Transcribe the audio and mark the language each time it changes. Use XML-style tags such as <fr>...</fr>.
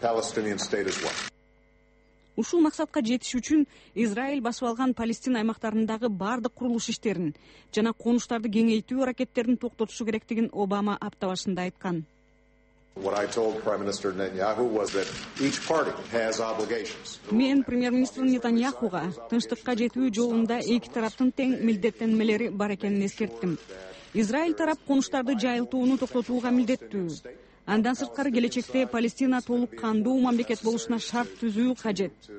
<ky>Ушул максатка жетиш үчүн Израиль басып алган Палестина аймактарындагы бардык курулуш иштерин жана конуштарды кеңейтүү аракеттерин токтотушу керектигин Обама апта башында айткан.</ky> <en>What I told Prime Minister Netanyahu was that each party has obligations.</en> <ky>Мен премьер-министр Нетаньяхуга тынчтыкка жетүү жолунда эки тараптын тең милдеттенмелери бар экенин эскерттим. Израиль тарап конуштарды жайылтууну токтотууга милдеттүү. Андан сырткары келечекте Палестина толук кандуу мамлекет болушуна шарт түзүү кажет.</ky>